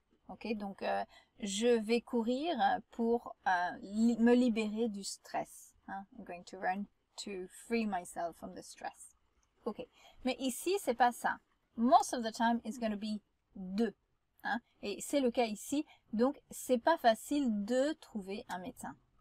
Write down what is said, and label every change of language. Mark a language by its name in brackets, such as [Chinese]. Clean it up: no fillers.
[French] Ok, donc je vais courir pour me libérer du stress. Hein? [English] I'm going to run to free myself from the stress. [French] Ok, mais ici, c'est pas ça. [English] Most of the time, it's going to be de. [French] Hein? Et c'est le cas ici. Donc, c'est pas facile de trouver un médecin.